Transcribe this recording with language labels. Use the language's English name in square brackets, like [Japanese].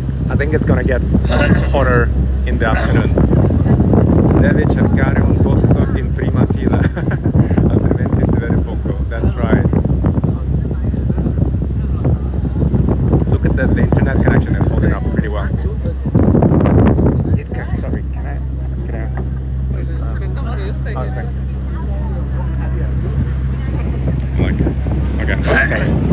[English] I think it's gonna get hotter in the afternoon. [Italian] Deve cercare un posto in prima fila, altrimenti si vede poco. [English] That's right. Look at that, the internet connection is holding up pretty well. It can, sorry, can I ask? Okay. Okay. Oh, sorry.